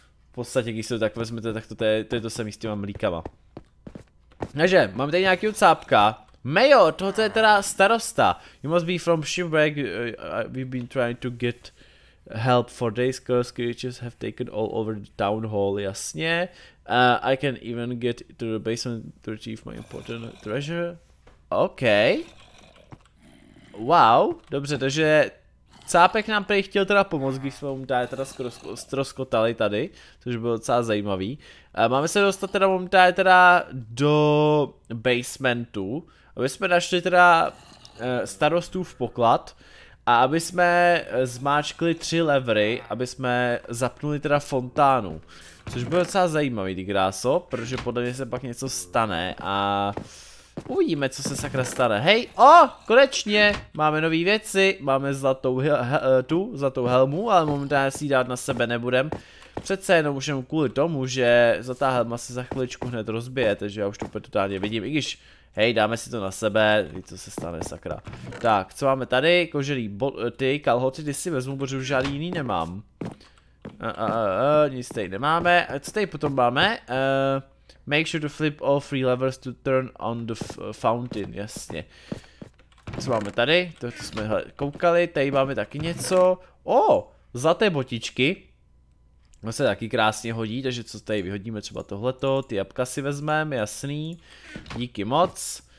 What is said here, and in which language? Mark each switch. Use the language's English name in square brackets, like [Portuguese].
[Czech] V podstatě, když se to tak vezmete, tak to je to samý s těma mlíkama. Takže, mám tady nějaký cápka. Mayo, tohle je teda starosta. [English] You must be from Shipwreck, we've been trying to get... help for days, cursed creatures have taken all over the town hall, [Czech] jasně. [English] I can even get to the basement to achieve my important treasure. OK. [Czech] Wow, dobře, takže cápek nám prý chtěl teda pomoct, když jsme mu tady teda ztroskotali tady, což bylo docela zajímavý. Máme se dostat teda mu tady teda do basementu, aby jsme našli teda starostů v poklad. A aby jsme zmáčkli tři levry, aby jsme zapnuli teda fontánu. Což bylo docela zajímavý, ty gráso, protože podle mě se pak něco stane a uvidíme, co se sakra stane. Hej, o, konečně, máme nové věci, máme zlatou helmu, ale momentálně si ji dát na sebe nebudem. Přece jenom už jen kvůli tomu, že zlatá helma se za chviličku hned rozbije, takže já už to totálně vidím, i když... Hej, dáme si to na sebe, ví co se stane, sakra. Tak, co máme tady, koželí ty kalhoty, ty si vezmu, protože už žádný jiný nemám. Nic tady nemáme, co tady potom máme? [English] Make sure to flip all three levers to turn on the fountain, [Czech] jasně. Co máme tady, to jsme hele, koukali, tady máme taky něco. O, zlaté botičky. To se taky krásně hodí, takže co tady vyhodíme, třeba tohleto, ty jabka si vezmeme, jasný, díky moc.